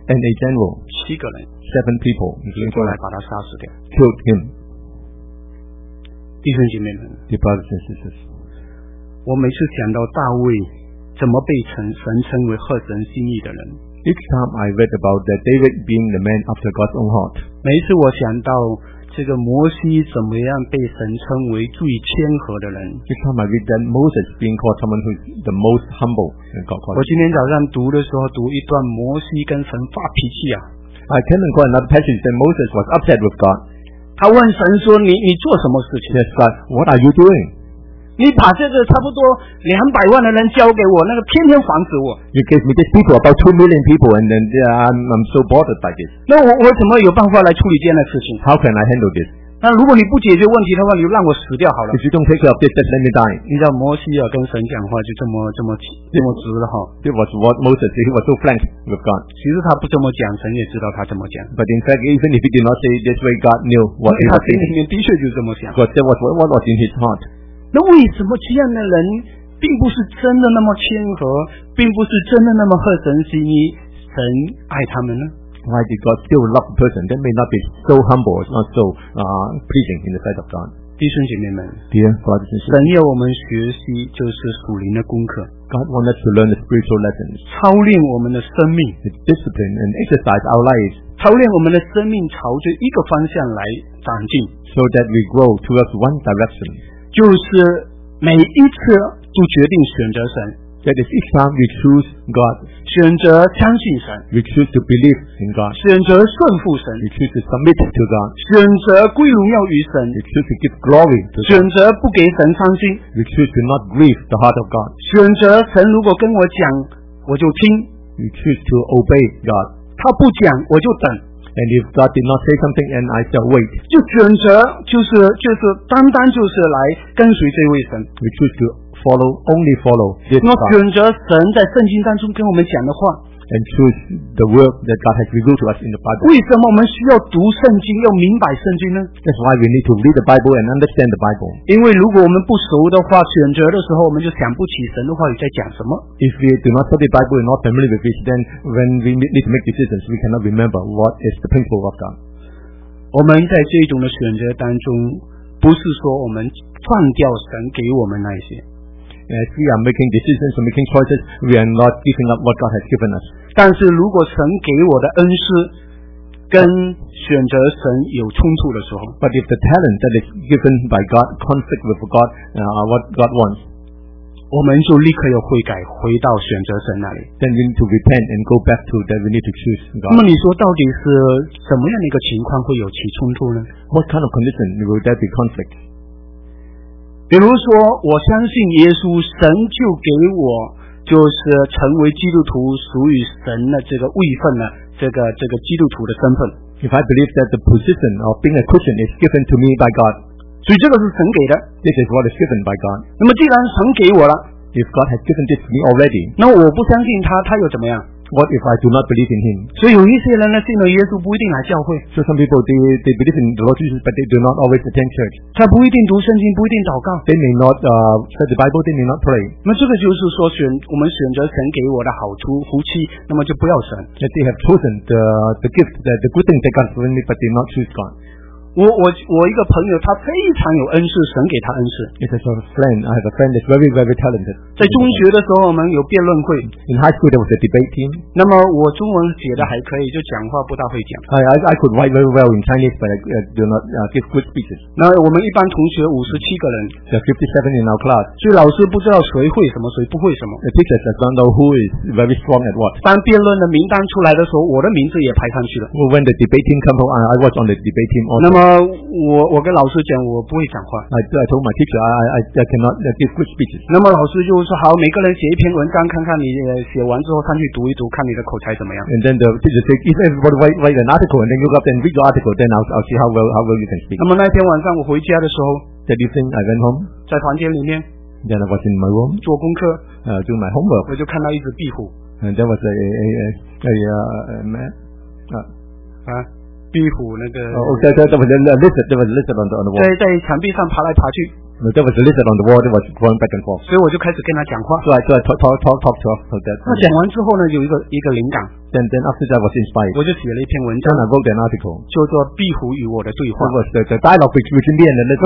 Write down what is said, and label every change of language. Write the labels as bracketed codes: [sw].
[en] ，and a general， [zh] 七个人 [en] ，seven people， [zh] 就过来把他杀死掉 [en] ，killed him。 [zh] 弟兄姐妹们 [en] ，the brothers and sisters， [zh] 我每次想到大卫怎么被神称为合神心意的人 [en] ，each time I read about that David being the man after God's own heart， [zh] 每一次我想到。这个摩西怎么样被神称为最谦和的人 [en] ？This time I read that Moses being called someone who's the most humble. [zh] 我今天早上读的时候读一段摩西跟神发脾气啊。 [en] I came and called another passage that Moses was upset with God. [zh] 他问神说：“你做什么事情 [en] ？”Yes, God, what are you doing? [zh] 你把这个差不多200万的人交给我，那个天天防止我。 [en] You gave me these people about 2 million people, and then I'm so bothered by this. [zh] 那我怎么有办法来处理这样的事情 [en] ？How can I handle this？ [zh] 那如果你不解决问题的话，你就让我死掉好了。 [en] If you don't take care of this, just let me die. [zh] 你知道摩西啊，跟神讲话就这么直了哈。 [en] It was what Moses. He was so frank with God. [zh] 其实他不这么讲，神也知道他这么讲。 [en] But in fact, even if he did not say this way, God knew what he was saying. [zh] 他心里面的确就这么想。 [en] But that was what was in his heart. [zh] 那为什么这样的人并不是真的那么谦和，并不是真的那么合神心意，神爱他们呢 [en] ？Why did God still love a person that may not be so humble, not so pleasing in the sight of God？ [zh] 弟兄姐妹们 [en] ，Dear brothers and sisters， [zh] 神要我们学习就是属灵的功课。 [en] God wants us to learn the spiritual lessons， [zh] 操练我们的生命 [en] ，to discipline and exercise our lives， [zh] 操练我们的生命朝着一个方向来长进 [en] ，so that we grow towards one direction。 [zh] 就是每一次就决定选择神 [en] That is each time we choose God [zh] 选择相信神 [en] We choose to believe in God [zh] 选择顺服神 [en] We choose to submit to God [zh] 选择归荣耀于神 [en] We choose to give glory to God [zh] 选择不给神伤心 [en] We choose to not grieve the heart of God [zh] 选择神如果跟我讲我就听 [en] We choose to obey God [zh] 他不讲我就等 [en] And if God did not say something, and I shall wait. [zh] 就选择就是单单就是来跟随这位神 [en] We choose to follow only follow this God. [zh] 那选择神在圣经当中跟我们讲的话 [en] And choose the word that God has revealed to us in the Bible. [zh] 为什么我们需要读圣经，要明白圣经呢 [en] That's why we need to read the Bible and understand the Bible. [zh] 因为如果我们不熟的话，选择的时候我们就想不起神的话语在讲什么 [en] If we do not study the Bible and not familiar with it, then when we need to make decisions, we cannot remember what is the principle of God. [zh] 我们在这种的选择当中，不是说我们放掉神给我们那些。 [en] As we are making decisions and making choices, we are not giving up what God has given us. [zh] 但是如果神给我的恩赐跟选择神有冲突的时候 [en] But if the talent that is given by God conflict with God, what God wants, [zh] 我们就立刻要悔改回到选择神那里 [en] Then we need to repent and go back to that we need to choose God. [zh] 那么你说到底是什么样的一个情况会有其冲突呢 [en] What kind of condition will there be conflict? [zh] 比如说我相信耶稣神就给我就是成为基督徒属于神的这个位份呢这个基督徒的身份 [en] If I believe that the position of being a Christian is given to me by God [zh] 所以这个是神给的 [en] This is what is given by God [zh] 那么既然神给我了 [en] If God has given this to me already [zh] 那我不相信他又怎么样 [en] What if I do not believe in him [zh] 所以有一些人呢信了耶稣不一定来教会 [en] So some people they believe in the Lord Jesus but they do not always attend church [zh] 他不一定读圣经，不一定祷告。 [en] They may not study the Bible. They may not pray. [zh] 那这个就是说选我们选择神给我的好处福气，那么就不要神。 [en] That they have chosen the gift, the good thing they got from me, but they not choose God. [zh] 我一个朋友，他非常有恩赐，神给他恩赐。 [en] It is a friend. I have a friend that's very very talented. [zh] 在中学的时候，我们有辩论会。 [en] In high school, there was a debate team. [zh] 那么我中文写的还可以，就讲话不大会讲。 [en] I could write very well in Chinese, but I do not give good speeches. [zh] 那我们一般同学57个人。 [en] There are 57 in our class. [zh] 所以老师不知道谁会什么，谁不会什么。 [en] The teachers don't know who is very strong at what. [zh] 当辩论的名单出来的时候，我的名字也排上去了。 [en] When the debate team came out, I was on the debate team also. [zh] 那么我跟老师讲我不会讲话。 [en] I told my teacher I cannot give good speeches. [zh] 那么老师就说好，每个人写一篇文章，看看你写完之后上去读一读，看你的口才怎么样。 [en] And then the teacher said, if everybody write an article and then look up and read your article, then I'll see how well you can speak. [zh] 那么那天晚上我回家的时候 [en] ，That evening I went home. [zh] 在房间里面 [en] ，Then I was in my room. [zh] 做功课 [en] ，Doing my homework. [zh] 我就看到一只壁虎 [en] ，And there was a man. [zh] 壁虎那个。 [en] There was a lizard on the wall. [zh] 在墙壁上爬来爬去。 [en] No, there was a lizard on the wall. It was going back and forth. [zh] 所以我就开始跟他讲话。 [en] So I talk to her. [zh] 那讲完之后呢，有一个灵感。 [en] Then after that, I was inspired. [zh] 我就写了一篇文章。 [en] Then I wrote an article. [zh] 就做壁虎与我的对话。 [en] It was the dialogue between me and the lizard.